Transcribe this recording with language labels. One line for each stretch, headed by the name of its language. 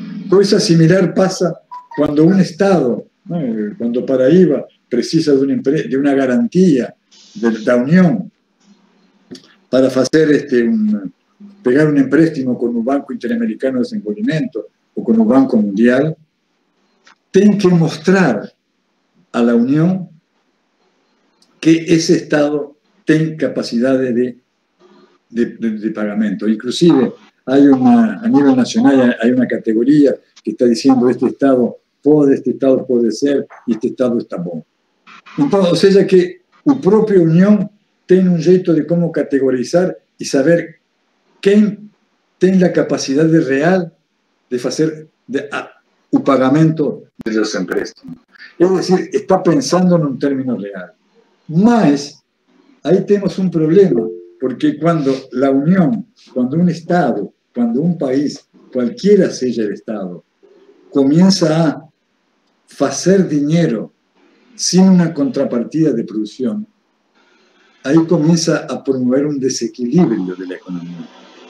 Portuguese: Coisa similar passa quando um Estado, quando Paraíba precisa de uma garantia da União para fazer pegar um empréstimo com o Banco Interamericano de Desenvolvimento ou com o Banco Mundial, tem que mostrar
Spanish: a la Unión que ese Estado tiene capacidades
Portuguese: de pagamento.
Spanish: Inclusive, hay una, a nivel nacional hay una categoría que está diciendo este Estado puede ser y este Estado está bueno. Entonces, o sea que la propia Unión tiene un jeito de cómo categorizar y saber quién tiene la capacidad de real de hacer
Portuguese: o pagamento dos empréstimos. É dizer, está pensando num término real. Mas, aí temos um problema, porque quando a União, quando um Estado, quando um país, qualquer seja o Estado, começa a fazer dinheiro sem uma contrapartida de produção, aí começa a promover um desequilíbrio da economia.